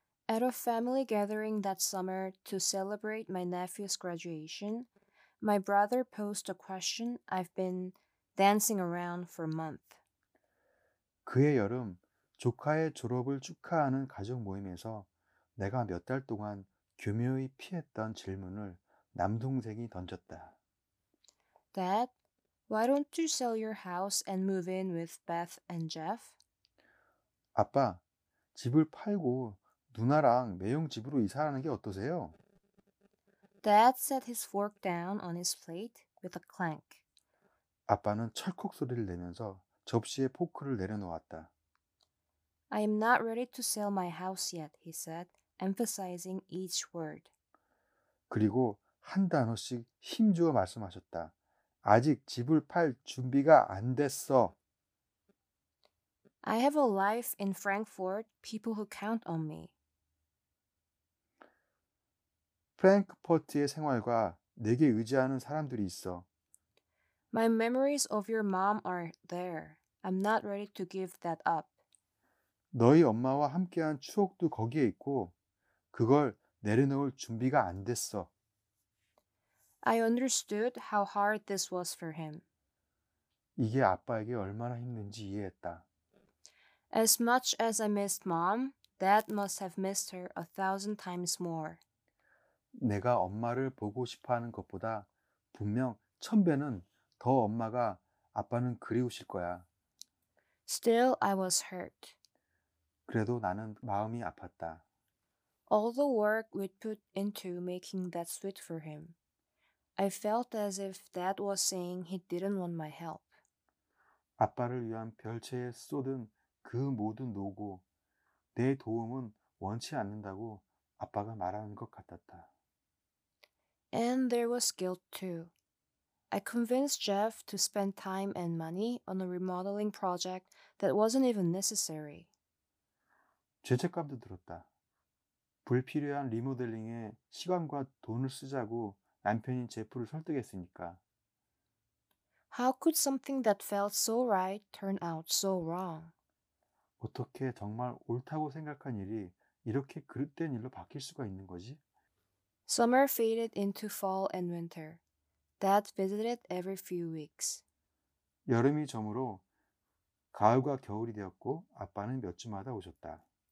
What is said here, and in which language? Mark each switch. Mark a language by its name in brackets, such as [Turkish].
[English] At a family gathering that summer to celebrate my nephew's graduation, my brother posed a question I've been dancing around for a month. [Korean] 그해 여름, 조카의 졸업을 축하하는 가족 모임에서 내가 몇 달 동안 교묘히 피했던 질문을 남동생이 던졌다. [English] Dad, why don't you sell your house and move in with Beth and Jeff? [Korean] 아빠, 집을 팔고 누나랑 매형 집으로 이사하는 게 어떠세요? [English] Dad set his fork down on his plate with a clank. [Korean] 아빠는 철컥 소리를 내면서 접시에 포크를 내려놓았다. [English] I am not ready to sell my house yet, he said, emphasizing each word. [Korean] 그리고 한 단어씩 힘주어 말씀하셨다. 아직 집을 팔 준비가 안 됐어. [English] I have a life in Frankfurt, people who count on me. [Korean] 프랭크포트의 생활과 내게 의지하는 사람들이 있어. [English] My memories of your mom are there. I'm not ready to give that up. [Korean] 너희 엄마와 함께한 추억도 거기에 있고 그걸 내려놓을 준비가 안 됐어. [English] I understood how hard this was for him. [Korean] 이게 아빠에게 얼마나 힘든지 이해했다. [English] As much as I missed mom, Dad must have missed her 1,000 times more. [Korean] 내가 엄마를 보고 싶어하는 것보다 분명 천 배는 더 엄마가 아빠는 그리우실 거야. [English] Still, I was hurt. [Korean] 그래도 나는 마음이 아팠다. [English] All the work we'd put into making that sweet for him. I felt as if Dad was saying he didn't want my help. [Korean] 아빠를 위한 별채에 쏟은 그 모든 노고, 내 도움은 원치 않는다고 아빠가 말하는 것 같았다. [English] And there was guilt too. I convinced Jeff to spend time and money on a remodeling project that wasn't even necessary. [Korean] 죄책감도 들었다. 불필요한 리모델링에 시간과 돈을 쓰자고 남편인 제프를 설득했으니까. [English] How could something that felt so right turn out so wrong? [Korean] 어떻게 정말 옳다고 생각한 일이 이렇게 그릇된 일로 바뀔 수가 있는 거지? [English] Summer faded into fall and winter. Dad visited every few weeks. [Korean] 여름이 저물어 가을과 겨울이 되었고 아빠는 몇 주마다 오셨다.